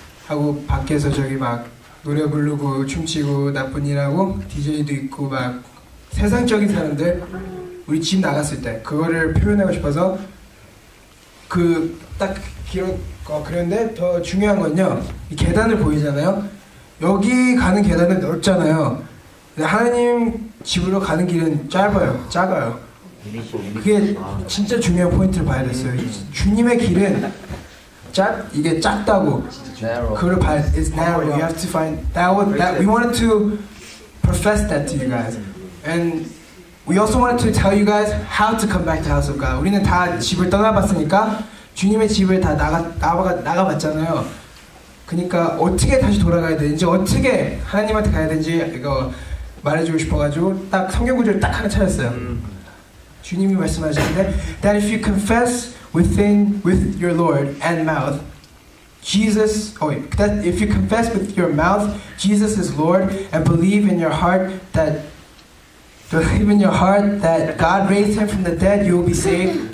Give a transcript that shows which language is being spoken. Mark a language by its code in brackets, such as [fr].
[ko] 하고 밖에서 저기 막 노래 부르고 춤추고 나쁜 일하고 DJ도 있고 막 세상적인 사람들 우리 집 나갔을 때 그거를 표현하고 싶어서 그 딱 그런데 더 중요한 건요 이 계단을 보이잖아요. 여기 가는 계단은 넓잖아요. 근데 하나님 집으로 가는 길은 짧아요. 작아요. 그게 진짜 중요한 포인트를 봐야 됐어요. 주님의 길은 짧 이게 작다고 그걸 봐야 돼. [en] It's narrow. You have to find that one. That we wanted to profess that to you guys. And we also wanted to tell you guys how to come back to house of God. [ko] 우리는 다 집을 떠나봤으니까 주님의 집을 다 나가봤잖아요. 그러니까 어떻게 다시 돌아가야 되는지 어떻게 하나님한테 가야 되는지 이거 말해주고 싶어가지고 딱 성경 구절 딱 하나 찾았어요. 주님이 말씀하셨는데 [en] that if you confess with your Lord and mouth Jesus, oh wait, that if you confess with your mouth Jesus is Lord and believe in your heart that believe in your heart that God raised him from the dead, you will be saved.